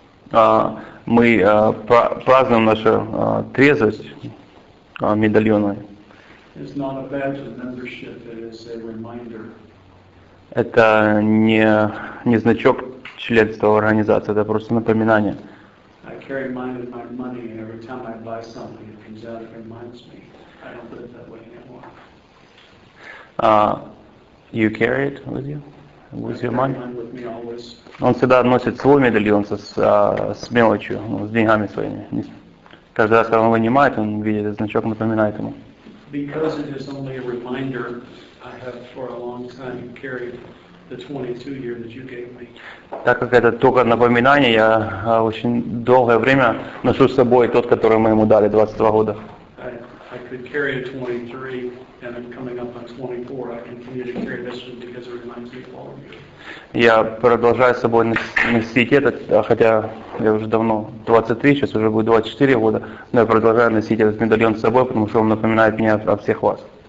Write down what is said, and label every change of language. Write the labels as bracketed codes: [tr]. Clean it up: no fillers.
[ru] Мы празднуем нашу трезвость медальона. [en] It's not a badge of membership, it is a reminder. [ru] Это не значок членства организации, это просто напоминание. [en] I carry mine with my money, and every time I buy something, it comes out and reminds me. I don't live that way anymore. You carry it with you? With I your money? I carry mine with me always. [ru] Он всегда носит свой медальон с мелочью, с деньгами своими. Каждый раз, когда он вынимает, он видит этот значок, напоминает ему. [en] Because it is only a reminder, I have for a long time carried the 22 year that you gave me. [ru] Так как это только напоминание, я очень долгое время ношу с собой тот, который мы ему дали 22 года. [en] I could carry a 23, and I'm coming up on 24. I continue to carry this one because it reminds me of all of you. [ru] Я продолжаю с собой носить этот, хотя я уже давно 23, сейчас уже будет 24 года, но я продолжаю носить этот медальон с собой, потому что он напоминает мне о всех вас.